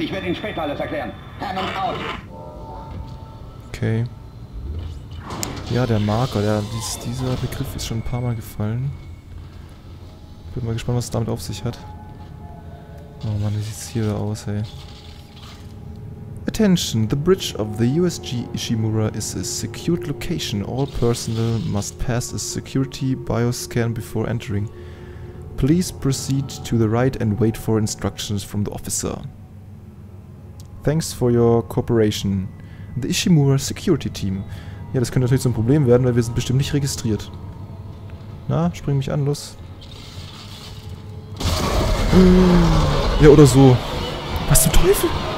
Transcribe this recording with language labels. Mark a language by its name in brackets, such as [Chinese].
[German] Ich werde Ihnen später alles erklären. [English] Hammond out. Okay. [German] Ja, der Marker, dieser Begriff ist schon ein paar Mal gefallen. Bin mal gespannt, was es damit auf sich hat. Oh Mann, wie sieht's hier wieder aus, ey. [English] Attention, the bridge of the USG Ishimura is a secured location. All personnel must pass a security bioscan before entering. Please proceed to the right and wait for instructions from the officer. Thanks for your cooperation. The Ishimura Security Team. [German] Ja, das könnte natürlich so ein Problem werden, weil wir sind bestimmt nicht registriert. Na, spring mich an, los. Ja, oder so. Was zum Teufel?